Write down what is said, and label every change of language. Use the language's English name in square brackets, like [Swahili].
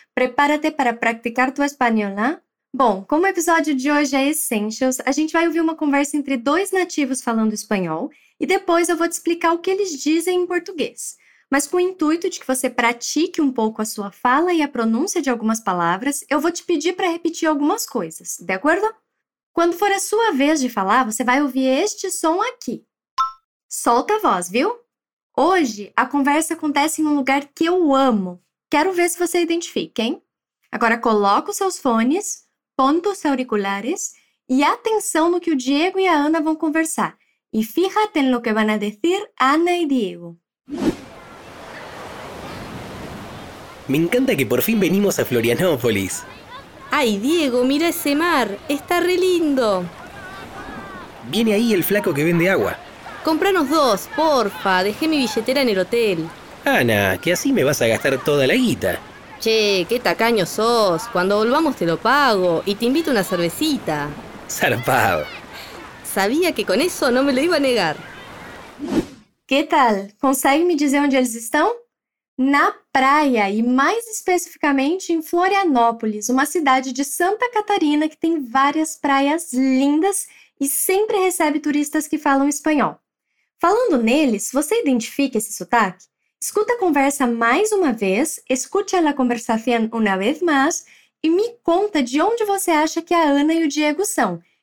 [Spanish] Prepárate para practicar tu español, ¿eh? [Portuguese] Bom, como o episódio de hoje é Essentials, a gente vai ouvir uma conversa entre dois nativos falando espanhol e depois eu vou te explicar o que eles dizem em português. Mas com o intuito de que você pratique um pouco a sua fala e a pronúncia de algumas palavras, eu vou te pedir para repetir algumas coisas, de acordo? Quando for a sua vez de falar, você vai ouvir este som aqui. Solta a voz, viu? Hoje, a conversa acontece em um lugar que eu amo. Quero ver se você identifica, hein? Agora, coloca os seus fones, ponta os auriculares e atenção no que o Diego e a Ana vão conversar. [Spanish] E fíjate en lo que van a decir Ana e Diego. Me encanta que por fin venimos a Florianópolis. ¡Ay, Diego, mira ese mar! ¡Está re lindo! Viene ahí el flaco que vende agua. ¡Compranos dos, porfa! Dejé mi billetera en el hotel. Ana, que así me vas a gastar toda la guita. Che, qué tacaño sos. Cuando volvamos te lo pago y te invito una cervecita. ¡Zarpado! Sabía que con eso no me lo iba a negar. ¿Qué tal? [Portuguese] ¿Consegue me dizer onde eles estão? Na praia, e mais especificamente em Florianópolis, uma cidade de Santa Catarina que tem várias praias lindas e sempre recebe turistas que falam espanhol. Falando neles, você identifica esse sotaque? Escuta a conversa mais uma vez, escute a [Spanish] conversación una vez más [Portuguese] e me conta de onde você acha que a Ana e o Diego são.